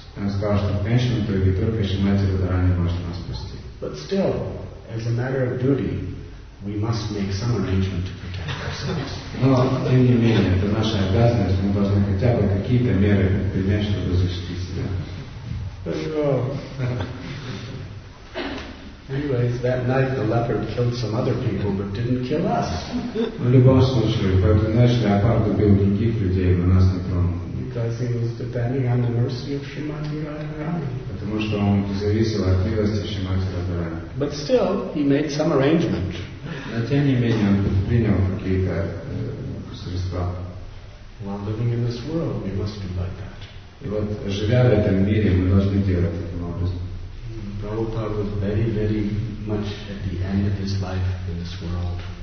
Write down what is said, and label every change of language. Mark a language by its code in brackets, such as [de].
[ru] Он сказал, что в конечном итоге только Шримати Радхарани может нас спасти. [en] But still, as a matter of duty, we must make some arrangement to protect ourselves. [ru] Но тем не менее, это наша обязанность. Мы должны хотя бы какие-то меры предпринять, чтобы защитить себя. [en] Anyways, that night the leopard killed some other people, but didn't kill us. [ru] В любом случае, в эту ночь леопард убил других людей, но нас не тронул. [en] Because he was depending on the mercy of Shrimati Radharani. [ru] Потому что он зависел от милости Шримати Радхарани. [en] But still, he made some arrangement. [ru] Но тем не менее он предпринял какие-то средства. [en] While living in this world, we must do like that. [ru] И вот живя в этом мире, мы должны делать таким образом. [en] Prabhupada was very, very much at the end of his life in this world.